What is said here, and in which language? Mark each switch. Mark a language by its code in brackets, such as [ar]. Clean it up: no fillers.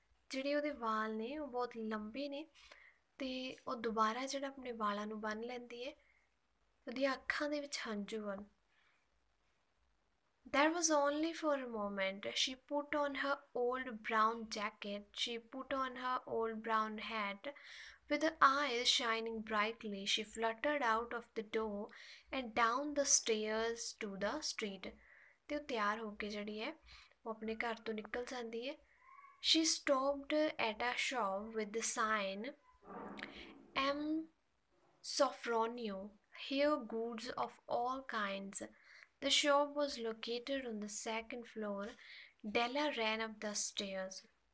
[pa] ਜਿਹੜੇ ਉਹਦੇ ਵਾਲ ਨੇ ਉਹ ਬਹੁਤ ਲੰਬੇ ਨੇ, ਅਤੇ ਉਹ ਦੁਬਾਰਾ ਜਿਹੜਾ ਆਪਣੇ ਵਾਲਾਂ ਨੂੰ ਬੰਨ ਲੈਂਦੀ ਹੈ, ਉਹਦੀਆਂ ਅੱਖਾਂ ਦੇ ਵਿੱਚ ਹੰਝੂ ਹਨ। [en] That was only for a moment she put on her old brown jacket, she put on her old brown hat. With her eyes shining brightly, she fluttered out of the door and down the stairs to the street. [pa] ਤੇ ਉਹ ਤਿਆਰ ਹੋ ਕੇ ਜਿਹੜੀ ਹੈ ਉਹ ਆਪਣੇ ਘਰ ਤੋਂ ਨਿਕਲ ਜਾਂਦੀ ਹੈ. [en] She stopped at a shop with a sign M Sofronie hair goods of all kinds. The shop was located on the second floor. Della ran up the stairs.